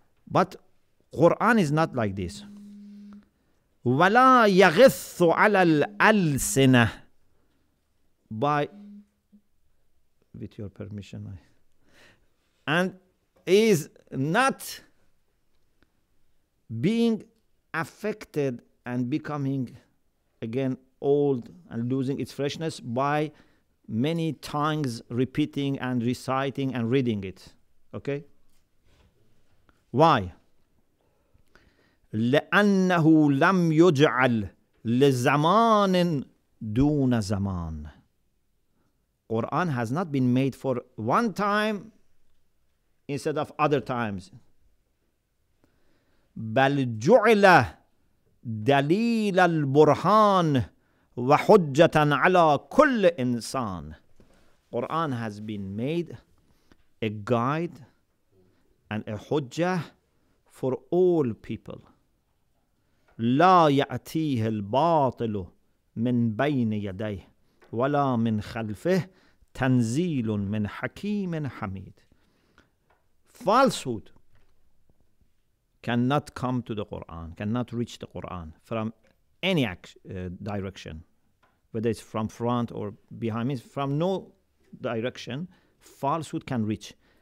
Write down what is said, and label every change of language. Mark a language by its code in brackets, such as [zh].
[en] But Quran is not like this. [ar] وَلَا يَغِثُ عَلَى الْأَلْسِنَةِ [en] By, with your permission, and is not being affected and becoming again old and losing its freshness by many tongues repeating and reciting and reading it. Okay? Why? [ar] لأنه لم يجعل لزمان دون زمان. [en] Quran has not been made for one time instead of other times. [ar] بل جعل دليل البرهان وحجة على كل إنسان. [en] Quran has been made a guide and a hujjah for all people. [ar] لا يأتيه الباطل من بين يديه ولا من خلفه تنزيل من حكيم حميد. [en] Falsehood cannot come to the Quran, cannot reach the Quran from any direction, whether it's from front or behind, means from no direction, falsehood can reach.